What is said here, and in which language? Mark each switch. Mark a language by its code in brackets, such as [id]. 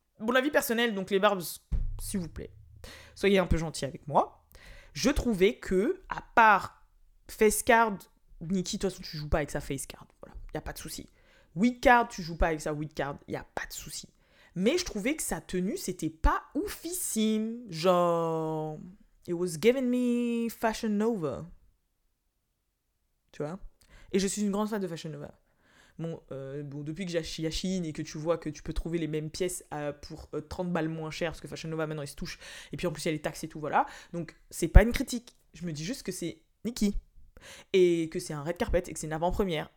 [fr] Bon, avis personnel, donc les barbes, s'il vous plaît, soyez un peu gentils avec moi. Je trouvais que, à part face card, Nicki, de toute façon, tu joues pas avec sa face card, voilà, y a pas de souci. Wig card, tu joues pas avec sa wig card, y a pas de souci. Mais je trouvais que sa tenue, c'était pas oufissime. [en] Genre, it was giving me Fashion Nova. [fr] Tu vois ? Et je suis une grande fan de Fashion Nova. Bon, bon, depuis que j'achine et que tu vois que tu peux trouver les mêmes pièces pour 30 balles moins cher, parce que Fashion Nova maintenant il se touche, et puis en plus il y a les taxes et tout, voilà. Donc c'est pas une critique, je me dis juste que c'est Nicki, et que c'est un red carpet, et que c'est une avant-première.